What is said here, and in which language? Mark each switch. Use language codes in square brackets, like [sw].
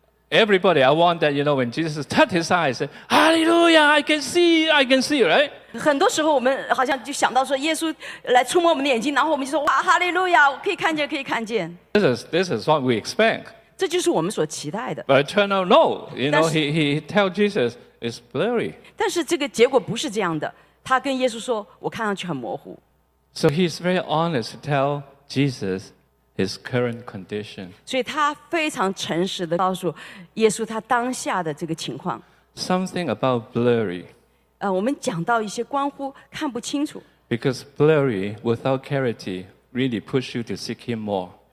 [en] Everybody, I want that, you know, when Jesus touched his eyes, he said, Hallelujah, I can see, right? [zh] 很多时候我们好像就想到说耶稣来触摸我们的眼睛，然后我们就说哇, Hallelujah, 可以看见, 可以看见。 [en] This is what we expect. [zh] 这就是我们所期待的。 [en] But it turned out, no, you know, 但是, he tell Jesus, it's blurry. [zh] 但是这个结果不是这样的,他跟耶稣说,我看上去很模糊。 [en] So he's very honest to tell Jesus, His current condition. [zh] 所以他非常诚实地告诉耶稣他当下的这个情况。 [en] Something about blurry. [zh] 我们讲到一些关乎看不清楚。 [en] Because blurry without clarity really push you to seek him more.